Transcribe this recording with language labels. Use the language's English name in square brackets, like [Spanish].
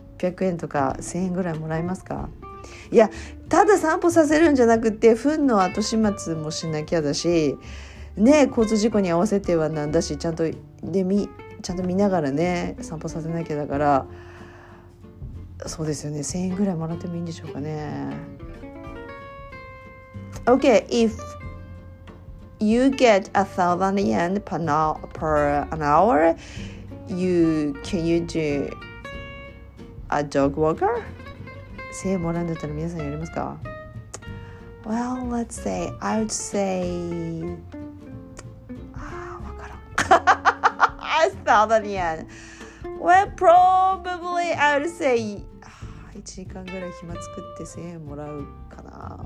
[Japanese] 800円とか1000円ぐらいもらえますか？いや、ただ散歩させるんじゃなくて、糞の後始末もしなきゃだし、ね、交通事故に合わせてはなんだし、ちゃんと見ながらね、散歩させなきゃだから、そうですよね、1000円ぐらいもらってもいいんでしょうかね。 [English] Okay, if you get 1,000 yen per an hour, can you do a dog walker? [Japanese] 1000円もらうんだったら皆さんやりますか？ [English] Well, let's say, I would say... [Japanese] わからん。1000 yen. [English] Well, probably, I would say... [Japanese] 1時間ぐらい暇作って1000円もらうかな。